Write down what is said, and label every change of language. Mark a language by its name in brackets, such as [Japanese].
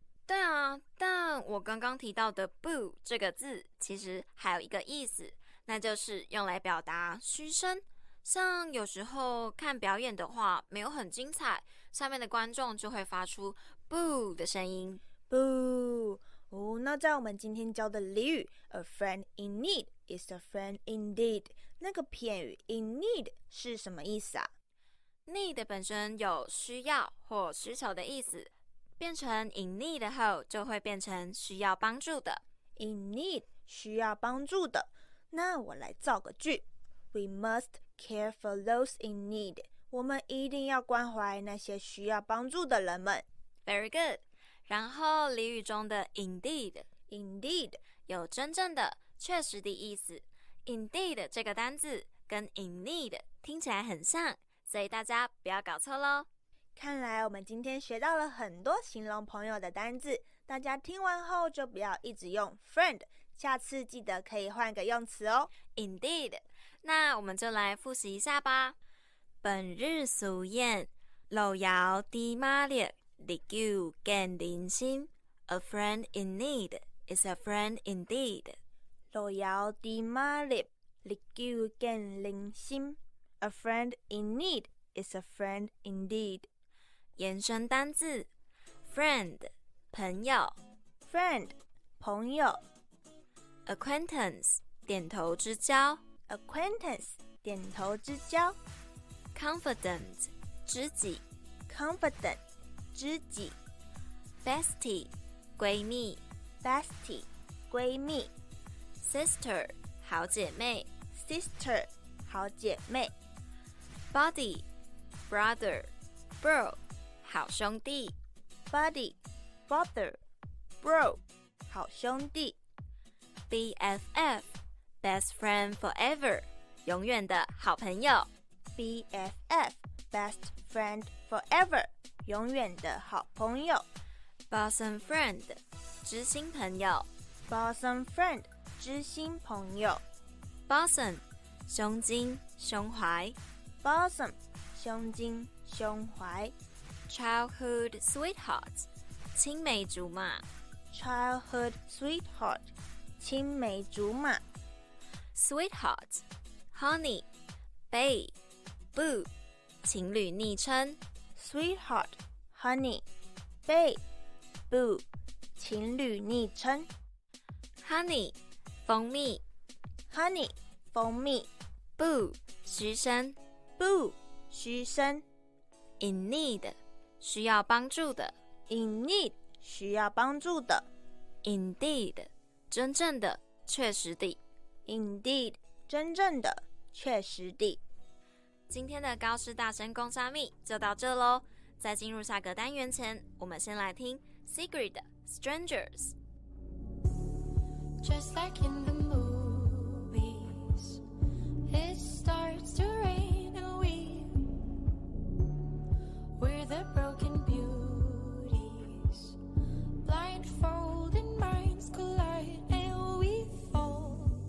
[Chinese] 对啊，但我刚刚提到的 boo 这个字其实还有一个意思，那就是用来表达嘘声。像有时候看表演的话没有很精彩，下面的观众就会发出 boo 的声音。 boo哦，那在我们今天教的俚语 [English] A friend in need is a friend indeed， [Chinese] 那个片语 in need 是什么意思啊？ need 本身有需要或需求的意思，变成 in need 后就会变成需要帮助的。 in need 需要帮助的，那我来造个句。 [English] We must care for those in need， [Chinese] 我们一定要关怀那些需要帮助的人们。 [English] Very good。 [Chinese] 然后俚语中的 indeed， [English] indeed [Chinese] 有真正的、确实的意思。 indeed 这个单字跟 in need 听起来很像，所以大家不要搞错咯。看来我们今天学到了很多形容朋友的单字，大家听完后就不要一直用 friend， 下次记得可以换个用词哦。 Indeed， 那我们就来复习一下吧。本日俗谚，路遥知马力，日久见人心。 [English] A friend in need is a friend indeed。 [Chinese] 路遥知马力，日久见人心。 [English] A friend in need is a friend indeed。 [Chinese] 延伸单字 friend 朋友， friend 朋友。 acquaintance 点头之交， acquaintance 点头之交。 confident 知己， confident 知己。 bestie 闺蜜， bestie 闺蜜。 sister 好姐妹， sister 好姐妹。 [English] buddy brother bro好兄弟。 Buddy Brother Bro 好兄弟。 BFF Best friend forever， 永远的好朋友。 BFF Best friend forever， 永远的好朋友。 [Chinese] Bosom friend 知心朋友， Bosom friend 知心朋友。 Bosom 胸襟胸怀， Bosom 胸襟胸怀。 [English] Childhood sweetheart， 青梅竹马。 Childhood sweetheart， 青梅竹马。 Sweetheart， honey， bae， boo， 情侣昵称。 Sweetheart， honey， bae， boo， 情侣昵称。 [Chinese] Honey， 蜂蜜。 Honey， 蜂蜜。 Boo， 嘘声。 Boo， 嘘声。 In need。 需要帮助的。 In need 需要帮助的。 Indeed 真正的、确实的。 Indeed 真正的、确实的。今天的高师大声公沙密就到这咯，在进入下个单元前，我们先来听 Sigrid Strangers。 [English] Just like in the movies It starts to rainWe're the broken beauties, blindfolding minds collide and we fall.